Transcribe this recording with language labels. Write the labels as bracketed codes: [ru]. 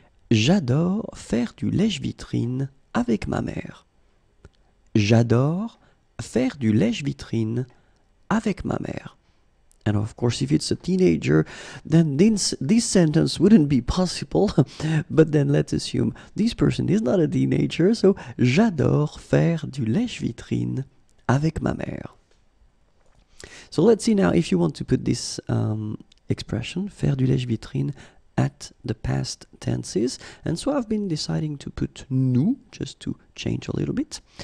[fr] J'adore faire du lèche-vitrine avec ma mère. J'adore faire du lèche-vitrine avec ma mère. [en] And of course, if it's a teenager, then this sentence wouldn't be possible. But then let's assume this person is not a teenager. [fr] So, j'adore faire du lèche-vitrine avec ma mère. [en] So let's see now if you want to put this expression, [fr] faire du lèche-vitrine, [en] at the past tenses, and so I've been deciding to put nous, just to change a little bit.